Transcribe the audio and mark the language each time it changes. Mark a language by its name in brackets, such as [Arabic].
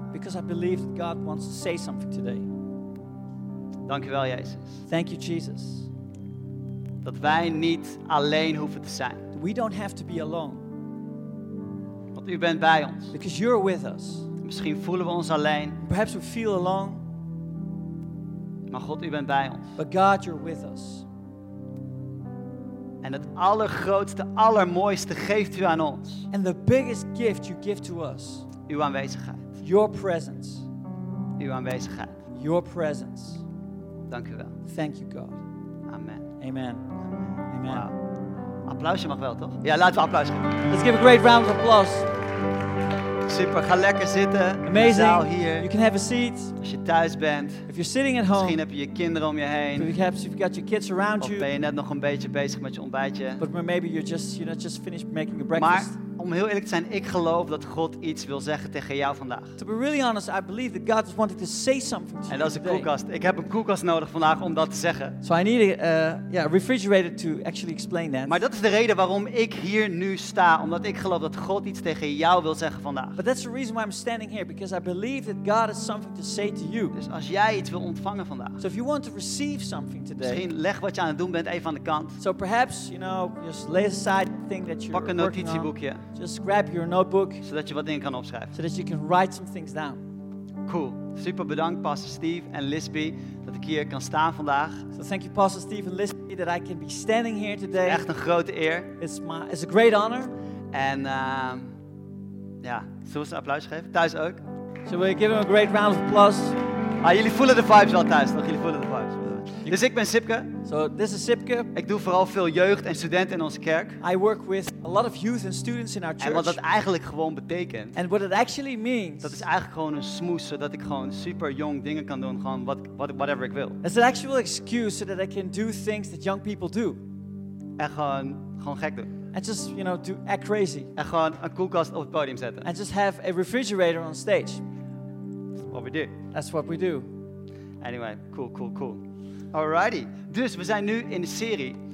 [English] Because I believe that God wants to say something today. [Dutch] Dankjewel Jezus. [English] Thank you Jesus. [Dutch] Dat wij niet alleen hoeven te zijn. [English] We don't have to be alone. [Dutch] Want u bent bij ons. [English] Because you're with us. [Dutch] Misschien voelen we ons alleen. [English] Perhaps we feel alone. [Dutch] Maar God, u bent bij ons. [English] But God, you're with us. [Dutch] En het allergrootste, allermooiste geeft u aan ons. [English] And the biggest gift you give to us. [Dutch] Uw aanwezigheid. [English] Your presence. [Dutch] Uw aanwezigheid. [English] Your presence. [Dutch] Dank u wel. [English] Thank you, God. Amen. [Dutch] Amen. Wow. Applausje mag wel, toch? Ja, laten we applaus geven. [English] Let's give a great round of applause. [Dutch] Super, ga lekker zitten. [English] Amazing. [Dutch] De zaal hier. [English] You can have a seat. [Dutch] Als je thuis bent. [English] If you're sitting at home. [Dutch] Misschien heb je je kinderen om je heen. [English] Perhaps you've got your kids around you. [Dutch] Of ben je net nog een beetje bezig met je ontbijtje. [English] But maybe you're not just finished making your breakfast. [Dutch] Maar om heel eerlijk te zijn, ik geloof dat God iets wil zeggen tegen jou vandaag. [English] To be really honest, I believe that God is wanting to say something to you. [Dutch] En dat is een koelkast. Ik heb een koelkast nodig vandaag om dat te zeggen. [English] So I need a refrigerator to actually explain that. [Dutch] Maar dat is de reden waarom ik hier nu sta, omdat ik geloof dat God iets tegen jou wil zeggen vandaag. [English] But that's the reason why I'm standing here, because I believe that God has something to say to you. [Dutch] Dus als jij iets wil ontvangen vandaag. [English] So if you want to receive something today. [Dutch] Misschien leg wat je aan het doen bent even aan de kant. [English] So perhaps, you know, just lay aside the thing that you're working on. [Dutch] Pak een notitieboekje. [English] Just grab your notebook. [Dutch] Zodat je wat dingen kan opschrijven. [English] So that you can write some things down. [Dutch] Cool. Super bedankt Pastor Steve en Lisby dat ik hier kan staan vandaag. [English] So thank you Pastor Steve and Lisby that I can be standing here today. [Dutch] It's echt een grote eer. [English] It's a great honor. [Dutch] En zullen we ze applaus geven? Thuis ook. [English] So we give them a great round of applause. [Dutch] Ah, jullie voelen de vibes wel thuis. Toch? Jullie voelen de vibes. Dus ik ben Sipke. [English] So this is Sipke. [Dutch] Ik doe vooral veel jeugd en studenten in onze kerk. [English] I work with a lot of youth and students in our church. [Dutch] En wat dat eigenlijk gewoon betekent. [English] And what it actually means. [Dutch] Dat is eigenlijk gewoon een smoes zodat ik gewoon super jong dingen kan doen, gewoon whatever ik wil. [English] It's an actual excuse so that I can do things that young people do. [Dutch] En gewoon gek doen. [English] And just, you know, to act crazy. [Dutch] En gewoon een koelkast op het podium zetten. [English] And just have a refrigerator on stage. What we do. That's what we do. Anyway, cool. [Dutch] Alrighty, dus we zijn nu in de serie.